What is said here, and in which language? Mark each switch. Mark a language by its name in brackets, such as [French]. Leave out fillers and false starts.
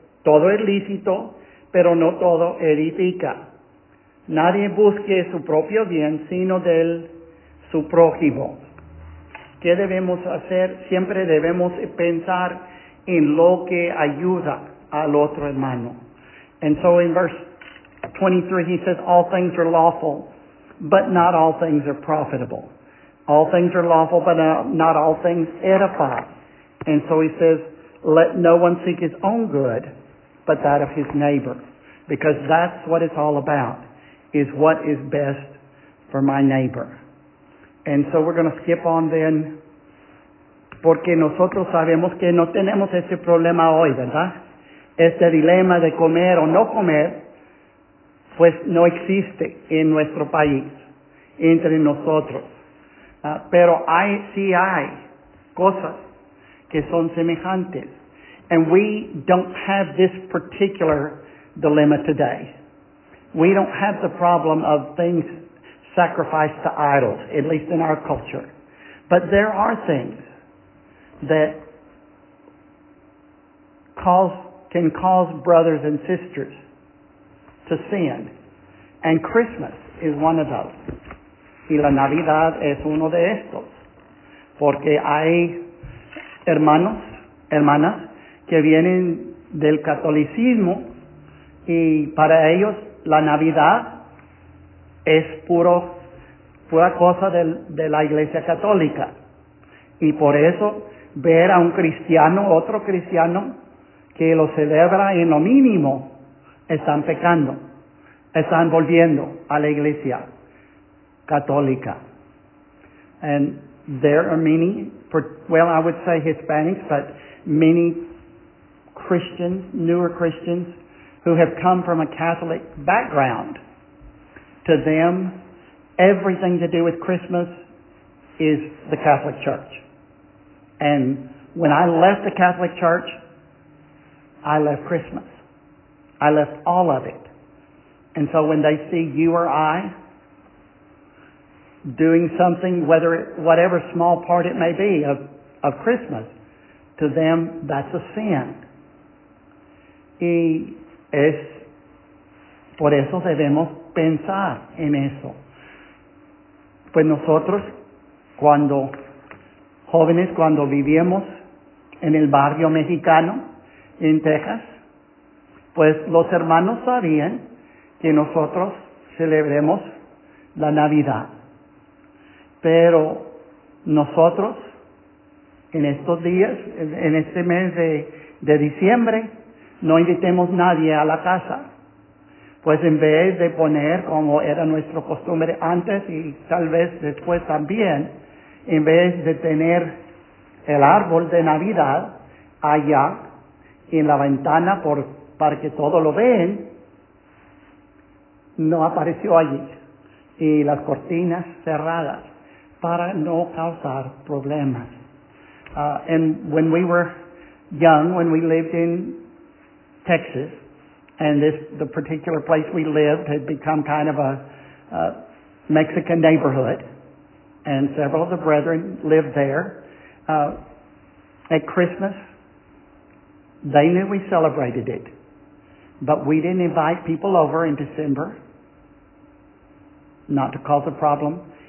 [Spanish] Todo es lícito, pero no todo edifica. Nadie busque su propio bien, sino del su prójimo. ¿Qué debemos hacer? Siempre debemos pensar en lo que ayuda al otro hermano. [English] And so in verse 23, he says, all things are lawful, but not all things are profitable. All things are lawful, but not all things edify. And so he says, let no one seek his own good, but that of his neighbor. Because that's what it's all about, is what is best for my neighbor. And so we're going to skip on then, [Spanish] porque nosotros sabemos que no tenemos ese problema hoy, ¿verdad? Este dilema de comer o no comer, pues no existe en nuestro país, entre nosotros. Pero hay, sí hay cosas que son semejantes. [English] And we don't have this particular dilemma today. We don't have the problem of things sacrificed to idols, at least in our culture. But there are things that can cause brothers and sisters to sin. And Christmas is one of those. [Spanish] Y la Navidad es uno de estos. Porque hay hermanos, hermanas, que vienen del catolicismo y para ellos la Navidad es pura cosa de la Iglesia Católica. Y por eso ver a un cristiano, otro cristiano, que lo celebra en lo mínimo, están pecando, están volviendo a la Iglesia Católica. [English] And there are many, well, I would say Hispanics, but many Christians, newer Christians, who have come from a Catholic background. To them, everything to do with Christmas is the Catholic Church. And when I left the Catholic Church, I left Christmas. I left all of it. And so when they see you or I doing something, whatever small part it may be of Christmas, to them, that's a sin. [Spanish] Y es por eso debemos pensar en eso. Pues nosotros, cuando jóvenes, cuando vivíamos en el barrio mexicano, en Texas, pues los hermanos sabían que nosotros celebremos la Navidad. Pero nosotros, en estos días, en este mes de diciembre, no invitemos nadie a la casa. Pues en vez de poner, como era nuestra costumbre antes y tal vez después también, en vez de tener el árbol de Navidad allá en la ventana para que todos lo vean, no apareció allí. Y las cortinas cerradas para no causar problemas. [English] And when we were young, when we lived in Texas, and the particular place we lived had become kind of a Mexican neighborhood, and several of the brethren lived there. At Christmas, they knew we celebrated it, but we didn't invite people over in December, not to cause a problem.